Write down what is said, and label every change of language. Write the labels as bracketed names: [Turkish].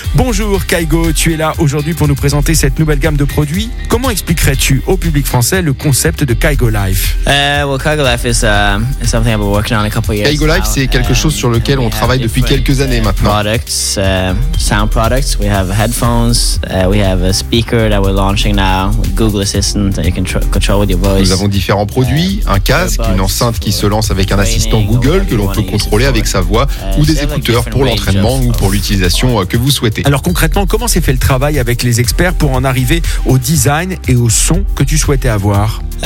[French] Bonjour Kygo, tu es là aujourd'hui pour nous présenter cette nouvelle gamme de produits. Comment expliquerais-tu au public français le concept de Kygo Life? [English] Kygo Life is something I've been working on a couple years. [French] Kygo Life, c'est quelque chose sur lequel on travaille depuis quelques années maintenant. [English] Products, sound products. We have headphones. We have a speaker that we're launching now. Google Assistant that you can control with your voice. [French] Nous avons différents produits, un casque, une enceinte qui se lance avec un assistant Google que l'on peut contrôler avec sa voix, ou des écouteurs pour l'entraînement ou pour l'utilisation que vous souhaitez. Alors concrètement, comment s'est fait le travail avec les experts pour en arriver au design et au son que tu souhaitais avoir?